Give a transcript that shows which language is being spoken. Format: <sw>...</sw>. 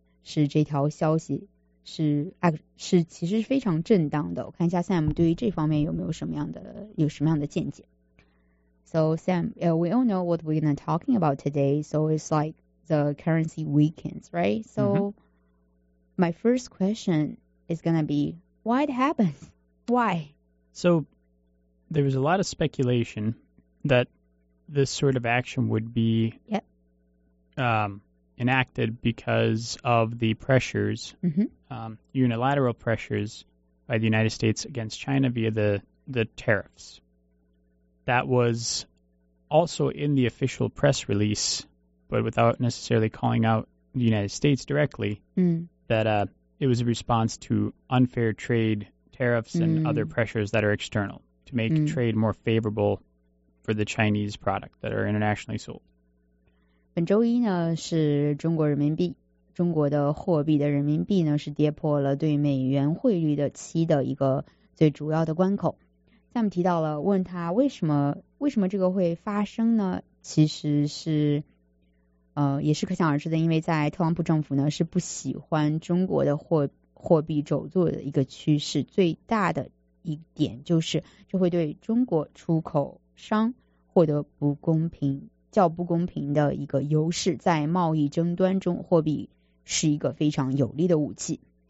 <zh>是这条消息是其实是非常正当的。我看一下 Sam 对于这方面有什么样的见解。</zh> <en>So Sam, we all know what we're going to be talking about today. So it's like the currency weakens, right? So、mm-hmm. my first question is going to be, why it happens? Why? So there was a lot of speculation that this sort of action would be、 yep. Enacted because of the pressures,、 mm-hmm. Unilateral pressures by the United States against China via the tariffs. That was also in the official press release, but without necessarily calling out the United States directly,、 mm. that、it was a response to unfair trade tariffs、mm. and other pressures that are external to make、mm. trade more favorable for the Chinese product that are internationally sold.</en> <zh>本周一呢是中国人民币，中国的货币的人民币呢是跌破了对美元汇率的期的一个最主要的关口。 Sam 提到了问他为什么这个会发生呢，其实是也是可想而知的，因为在特朗普政府呢是不喜欢中国的货币走弱的一个趋势，最大的一点就是这会对中国出口商获得较不公平的一个优势，在贸易争端中货币是一个非常有力的武器。</zh>